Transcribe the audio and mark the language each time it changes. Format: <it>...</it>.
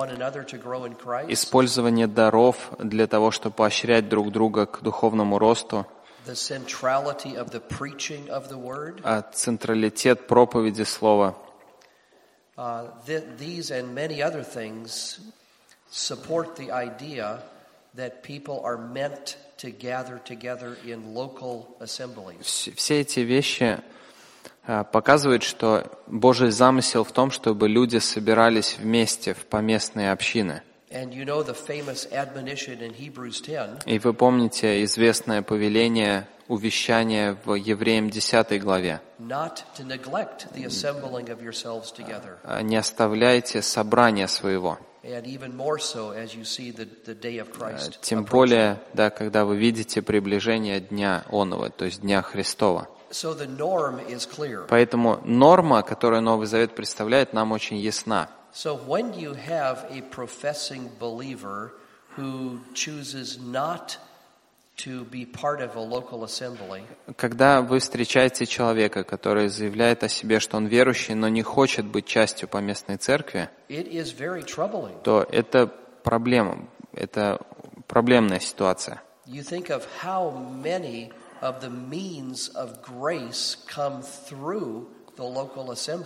<ru>использование даров для того, чтобы поощрять друг друга к духовному росту, централитет проповеди слова.</ru> <en>These and many other things support the idea that people are meant to gather together in local assemblies.</en> <ru>Все эти вещи показывают, что Божий замысел в том, чтобы люди собирались вместе в поместные общины.</ru> <en>And you know the famous admonition in Hebrews 10.</en> <ru>И вы помните известное повеление, увещание в Евреям 10 главе.</ru> <en>Not to neglect the assembling of yourselves together.</en> <ru>Не оставляйте собрания своего.</ru> <en>And even more so as you see the day of Christ.</en> <ru>Тем более, да, когда вы видите приближение дня Оного, то есть дня Христова.</ru> <en>So the norm is clear.</en> <ru>Поэтому норма, которую Новый Завет представляет, нам очень ясна.</ru> <en>So when you have a professing believer who chooses not to be part of a local assembly.</en> <ru>Когда вы встречаете человека, который заявляет о себе, что он верующий, но не хочет быть частью поместной церкви,</ru> <en>it is very troubling.</en> <ru>То это проблема, это проблемная ситуация.</ru> <en>You think of how many of the means of grace come through the local assembly.</en>